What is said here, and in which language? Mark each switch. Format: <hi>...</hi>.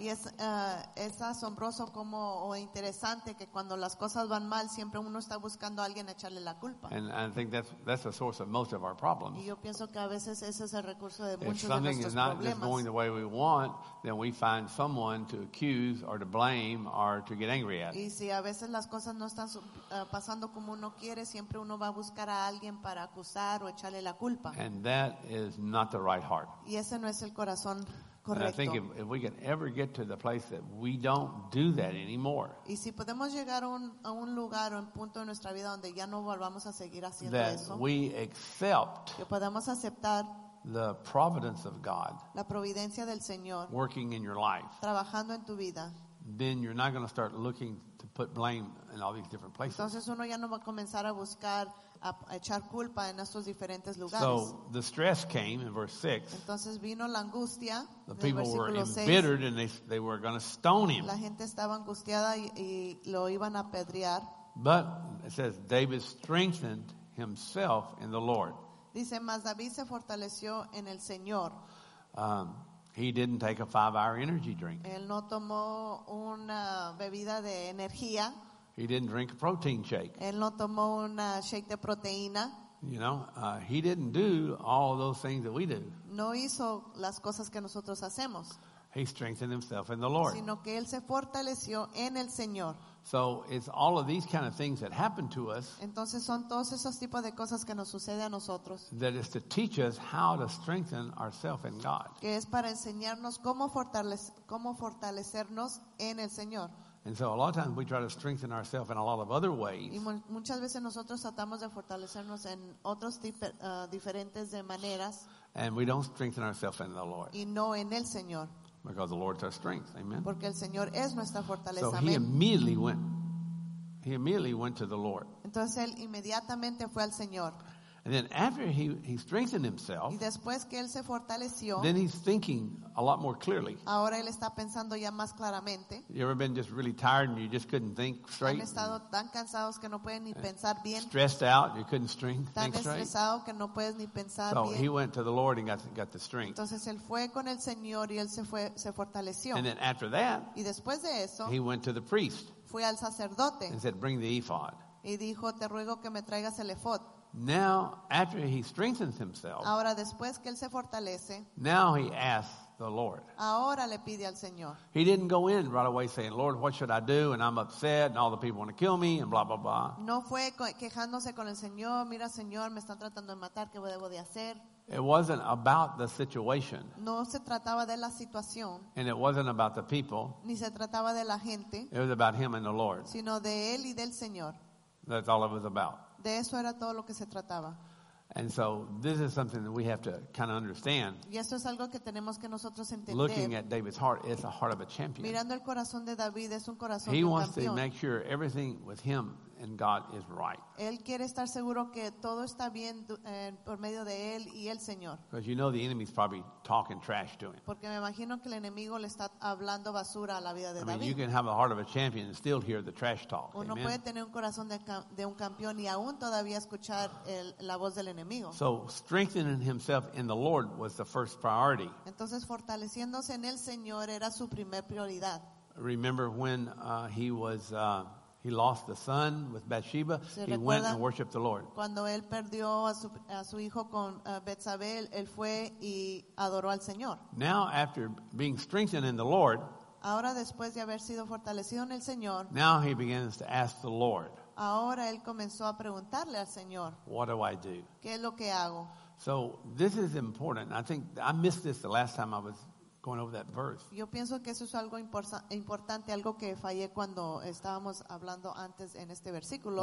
<es>Y es asombroso como o interesante que cuando las cosas van mal, siempre uno está buscando a alguien a echarle la culpa.</es> <en>And I think that's the source of most of our problems.</en> <es>Y yo pienso que a veces ese es el recurso de</es> <en>if</en> <es>muchos</es> <en>something</en> <es>de nuestros</es> <en>is not</en> <es>problemas.</es> <en>Just going the way we want, then we find someone to accuse or to blame or to get angry at.</en> <es>Y si a veces las cosas no están pasando como uno quiere, siempre uno va a buscar a alguien para acusar o echarle la culpa.</es> <en>And that is not the right heart.</en> <es>Y ese no es el corazón.</es> <en>And I think if we can ever get to the place that we don't do that anymore.</en> <es>Y si podemos llegar a un lugar o un punto en nuestra vida donde ya no volvamos a seguir haciendo eso.</es> <en>That we accept.</en> <es>Que podamos aceptar.</es> <en>The providence of God.</en> <es>La providencia del Señor.</es> <en>Working in your life.</en> <es>Trabajando en tu vida.</es> <en>Then you're not going to start looking to put blame in all these different places.</en> <es>Entonces uno ya no va a comenzar a buscar. A echar culpa en estos diferentes lugares.</es> <en>So the stress came in verse 6.</en> <es>Entonces vino la angustia.</es> <en>The people were embittered and they were going to stone him.</en> <es>La gente estaba angustiada y lo iban a apedrear.</es> <en>But it says David strengthened himself in the Lord.</en> <es>Dice, mas David se fortaleció en el Señor.</es> <en>He didn't take a 5-hour energy drink.</en> <es>Él no tomó una bebida de energía.</es> <en>He didn't drink a protein shake.</en> <es>Él no tomó una shake de proteína.</es> <en>You know, he didn't do all those things that we do.</en> <es>No hizo las cosas que nosotros hacemos.</es> <en>He strengthened himself in the Lord.</en> <es>Sino que él se fortaleció en el Señor.</es> <en>So it's all of these kind of things that happen to us.</en> <es>Entonces son todos esos tipos de cosas que nos sucede a nosotros.</es> <en>That is to teach us how to strengthen ourselves in God.</en> <es>Que es para enseñarnos cómo fortalecernos en el Señor.</es> <en>And so a lot of times we try to strengthen ourselves in a lot of other ways.</en> <es>Y muchas veces nosotros tratamos de fortalecernos en otros diferentes de maneras.</es> <en>And we don't strengthen ourselves in the Lord.</en> <es>Y no en el Señor.</es> <en>Because the Lord's our strength. Amen.</en> <es>Porque el Señor es nuestra fortaleza.</es> <en>So he immediately went to the Lord.</en> <es>Entonces él inmediatamente fue al Señor.</es> <en>And then after he strengthened himself,</en> <es>y después que él se fortaleció,</es> <en>then he's thinking a lot more clearly.</en> <es>Ahora él está pensando ya más claramente.</es> <en>You ever been just really tired and you just couldn't think straight?</en> <es>Han estado tan cansados que no pueden ni pensar bien.</es> <en>Stressed out, you couldn't think straight.</en> <es>Tan estresado que no puedes ni pensar</es> <en>so</en> <es>bien.</es> <en>He went to the Lord and got the strength.</en> <es>Entonces él fue con el Señor y él se fortaleció.</es> <en>And then after that,</en> <es>y después de eso,</es> <en>he went to the priest.</en> <es>Fue al sacerdote.</es> <en>And said, bring the ephod.</en> <es>Y dijo, te ruego que me traigas el ephod.</es> <en>Now, after he strengthens himself,</en> <es>ahora, después que él se fortalece,</es> <en>now he asks the Lord.</en> <es>Ahora le pide al Señor.</es> <en>He didn't go in right away saying, Lord, what should I do? And I'm upset and all the people want to kill me and blah, blah, blah.</en> <es>No fue quejándose con el Señor. Mira, Señor, me están tratando de matar. ¿Qué debo de hacer?</es> <en>It wasn't about the situation.</en> <es>No se trataba de la situación.</es> <en>And it wasn't about the people.</en> <es>Ni se trataba de la gente.</es> <en>It was about him and the Lord.</en> <es>Sino de él y del Señor.</es> <en>That's all it was about.</en> <es>De eso era todo lo que se trataba.</es> <en>And so this is something that we have to kind of understand.</en> <es>Y esto es algo que tenemos que nosotros entender.</es> <en>Looking at David's heart, it's a heart of a champion.</en> <es>Mirando el corazón de David, es un corazón de un campeón.</es> <en>He wants to make sure everything with him and God is right.</en> <es>Él quiere estar seguro que todo está bien por medio de él y el Señor.</es> <en>Because you know the enemy's probably talking trash to him.</en> <es>Porque me imagino que el enemigo le está hablando basura a la vida de David.</es> <en>I mean, you can have a heart of a champion and still hear the trash talk.</en> <es>Uno puede tener un corazón de un campeón y aún todavía escuchar la voz del enemigo.</es> <en>So strengthening himself in the Lord was the first priority.</en> <es>Entonces fortaleciéndose en el Señor era su primer prioridad.</es> <en>Remember when he was he lost the son with Bathsheba. He went and worshiped the Lord.</en> <es>Cuando él perdió a su hijo con Betsabé, él fue y adoró al Señor.</es> <en>Now, after being strengthened in the Lord,</en> <es>ahora después de haber sido fortalecido en el Señor,</es> <en>now he begins to ask the Lord.</en> <es>Ahora él comenzó a preguntarle al Señor.</es> <en>What do I do?</en> <es>¿Qué es lo que hago?</es> <en>So this is important. I think I missed this the last time I was going over that verse.</en> <es>Yo pienso que eso es algo importante, algo que fallé cuando estábamos hablando antes en este versículo.</es>